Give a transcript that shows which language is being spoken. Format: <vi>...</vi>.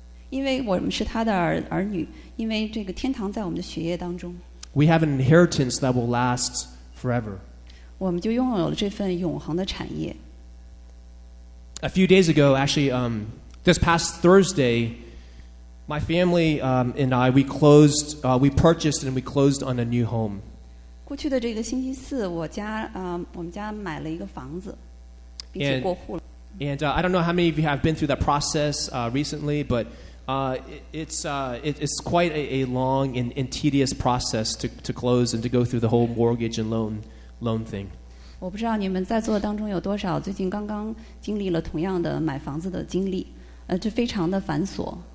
<zh>因为我们是他的儿女因为这个天堂在我们的血液当中</zh> <en>We have an inheritance that will last forever</en> <zh>我们就拥有了这份永恒的产业</zh> <en>A few days ago, actually, this past Thursday,My family and I, we closed, we purchased and we closed on a new home.</en> <zh>过去的这个星期四，我们家买了一个房子，并且过户了。</zh> <en>And I don't know how many of you have been through that process recently, but it's quite a long and tedious process to close and to go through the whole mortgage and loan thing.</en> <zh>我不知道你们在座当中有多少最近刚刚经历了同样的买房子的经历，这非常的繁琐。</zh>